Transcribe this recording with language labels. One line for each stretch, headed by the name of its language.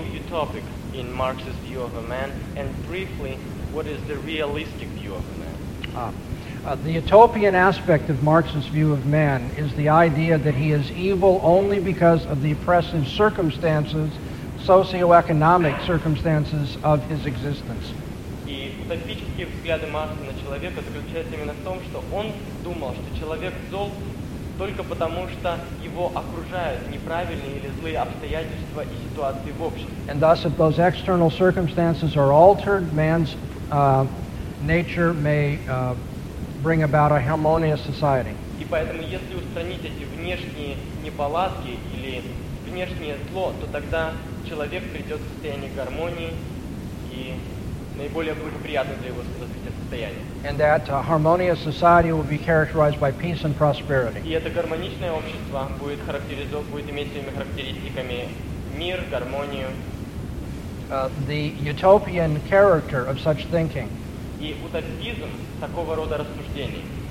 English: Topic in Marx's view of a man, and briefly, what is the realistic view of a man? The utopian aspect of Marx's view of man is the idea that he is evil only because of the oppressive circumstances, socioeconomic circumstances of his existence.
Russian: И утопические взгляды Маркса на человека заключаются именно в том, что он думал, что человек зол только потому, что его окружают неправильные или злые обстоятельства и ситуации в обществе.
English: And thus, if those external circumstances are altered, man's nature may bring about a harmonious society.
Russian: И поэтому, если устранить эти внешние неполадки или внешнее зло, то тогда человек придет в состояние гармонии и наиболее благоприятное для его состояния.
English: And that a harmonious society will be characterized by peace and prosperity.
Russian: И это гармоничное общество будет характеризовано, будет иметь своими характеристиками мир, гармонию.
English: The utopian character of such thinking.
Russian: И утопизм такого рода рассуждений.